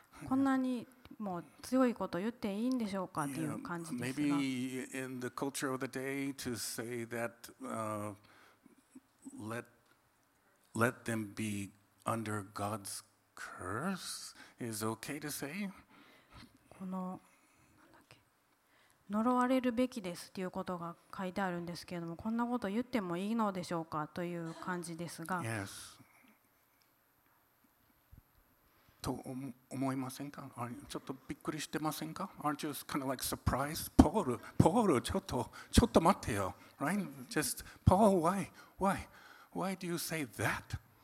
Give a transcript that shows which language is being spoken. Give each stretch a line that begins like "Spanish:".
Japanese: こんなにもう強いこと言っていいんでしょうかっていう感じですが。
English: Maybe in the culture of the day to say that, let them be under God's curse is okay to say?
Japanese: この呪われるべきですということが書いてあるんですけれども、こんなこと言ってもいいのでしょうかという感じですが、
English: yes.
Japanese: と思いませんか？ちょっとびっくりしてませんか？
English: Aren't you kind of like surprised? Paul, Paul,
Japanese: ちょっと待ってよ、
English: right? Just Paul, why do you say that?